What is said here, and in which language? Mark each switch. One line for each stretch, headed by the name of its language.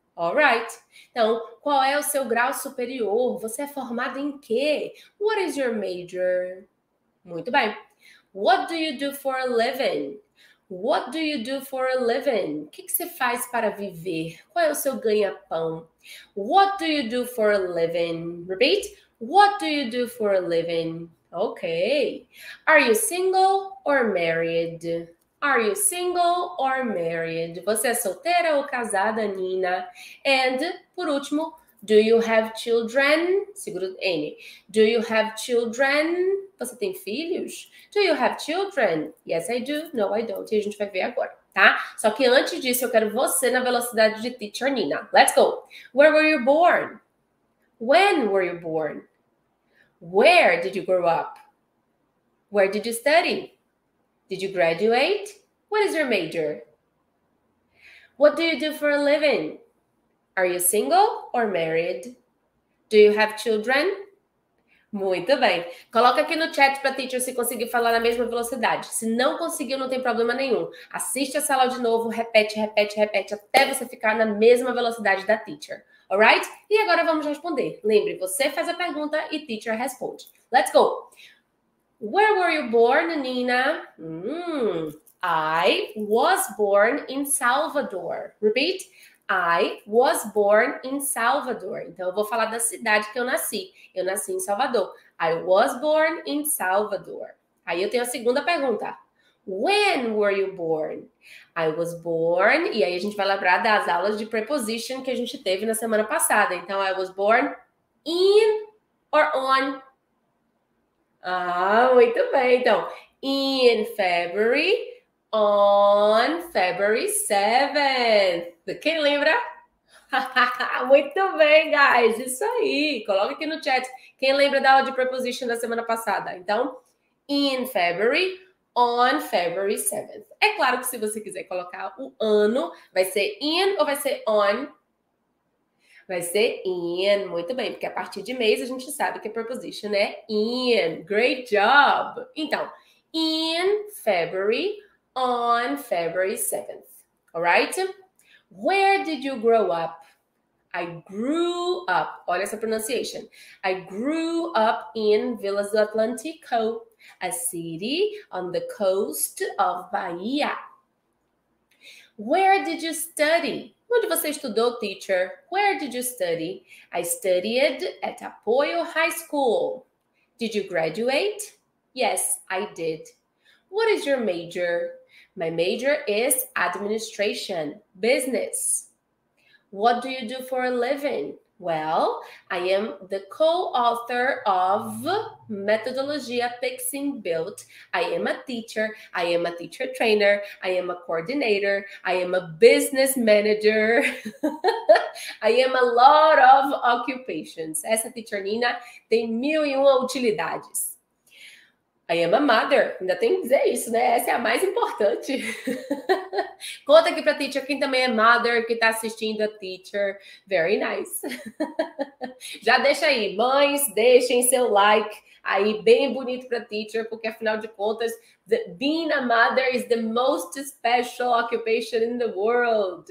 Portuguese: Alright, então, qual é o seu grau superior? Você é formado em quê?
English: What is your major?
Portuguese: Muito bem.
English: What do you do for a living? What do you do for a living?
Portuguese: O que você faz para viver? Qual é o seu ganha-pão?
English: What do you do for a living? Repeat. What do you do for a living? Ok. Are you single or married? Are you single or married?
Portuguese: Você é solteira ou casada, Nina?
English: And,
Portuguese: por último,
English: do you have children? Seguro N. Do you have children?
Portuguese: Você tem filhos?
English: Do you have children? Yes, I do. No, I don't.
Portuguese: E a gente vai ver agora, tá? Só que antes disso, eu quero você na velocidade de teacher Nina.
English: Let's go. Where were you born? When were you born? Where did you grow up? Where did you study? Did you graduate? What is your major? What do you do for a living? Are you single or married? Do you have children?
Portuguese: Muito bem. Coloca aqui no chat para a teacher se conseguir falar na mesma velocidade. Se não conseguiu, não tem problema nenhum. Assiste essa aula de novo, repete, repete, repete, até você ficar na mesma velocidade da teacher. Alright? E agora vamos responder. Lembre, você faz a pergunta e teacher responde.
English: Let's go! Where were you born, Nina? I was born in Salvador. Repeat. I was born in Salvador.
Portuguese: Então, eu vou falar da cidade que eu nasci. Eu nasci em Salvador.
English: I was born in Salvador.
Portuguese: Aí, eu tenho a segunda pergunta.
English: When were you born? I was born...
Portuguese: E aí, a gente vai lembrar das aulas de preposition que a gente teve na semana passada.
English: Então, I was born in or on...
Portuguese: Ah, muito bem.
English: Então, in February, on February 7th.
Portuguese: Quem lembra? Muito bem, guys. Isso aí. Coloca aqui no chat. Quem lembra da aula de preposition da semana passada?
English: Então, in February, on February 7th.
Portuguese: É claro que se você quiser colocar o ano, vai ser in ou vai ser on? Vai ser in, muito bem, porque a partir de mês a gente sabe que a preposition é in.
English: Great job! Então, in February, on February 7th. Alright? Where did you grow up? I grew up,
Portuguese: olha essa
English: pronunciation. I grew up in Villas do Atlântico, a city on the coast of Bahia. Where did you study?
Portuguese: Onde você estudou, teacher?
English: Where did you study? I studied at Apoio High School. Did you graduate? Yes, I did. What is your major? My major is administration, business. What do you do for a living? Well, I am the co-author of Metodologia Pixin Built. I am a teacher. I am a teacher trainer. I am a coordinator. I am a business manager. I am a lot of occupations.
Portuguese: Essa teacher Nina tem mil e uma utilidades.
English: I am a mother.
Portuguese: Ainda tem que dizer isso, né? Essa é a mais importante. Conta aqui para teacher quem também é mother, que está assistindo a teacher. Very nice. Já deixa aí, mães, deixem seu like aí, bem bonito para teacher, porque afinal de contas,
English: being a mother is the most special occupation in the world.